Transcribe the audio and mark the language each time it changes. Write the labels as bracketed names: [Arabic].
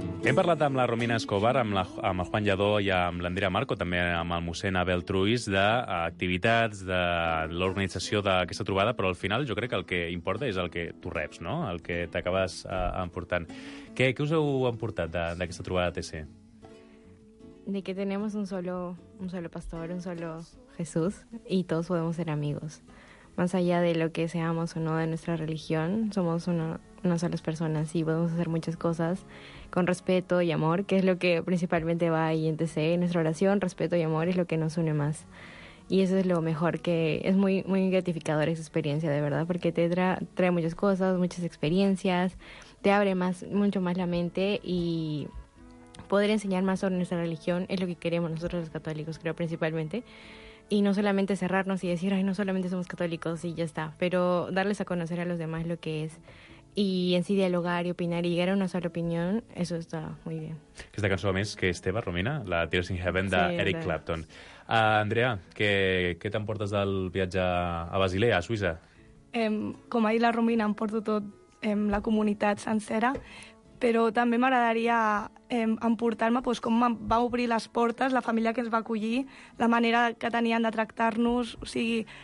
[Catalan] Hem parlat amb la Romina Escobar, amb el Juan Lladó i amb l'Andrea Marco, també amb el mossèn Abel Truis, d'activitats, de l'organització d'aquesta trobada, però al final jo crec que el que importa és el que tu reps, no? El que t'acabes emportant. Què us heu emportat d'aquesta trobada TC? [Spanish] De que tenemos un solo pastor, un solo Jesús, y todos podemos ser amigos. Más allá de lo que seamos o no de nuestra religión, somos unas solas personas y podemos hacer muchas cosas con respeto y amor, que es lo que principalmente va ahí en TC, en nuestra oración. Respeto y amor es lo que nos une más. Y eso es lo mejor, que es muy, muy gratificadora esa experiencia, de verdad, porque te trae muchas cosas, muchas experiencias, te abre más, mucho más la mente y poder enseñar más sobre nuestra religión es lo que queremos nosotros los católicos, creo, principalmente. Y no solamente cerrarnos y decir, ay, no solamente somos católicos y ya está, pero darles a conocer a los demás lo que es. Y en sí dialogar y opinar y llegar a una sola opinión, eso está muy bien. [Catalan] Aquesta cançó, a més, que Esteve, Romina, la Tears in Heaven, d'Eric Clapton. Andrea, què t'emportes del viatge a Basilea, a Suïssa? Com ha dit la Romina, em porto tot la comunitat sencera, però també m'agradaria emportar-me doncs, com va obrir les portes, la família que ens va acollir, la manera que tenien de tractar-nos, o sigui...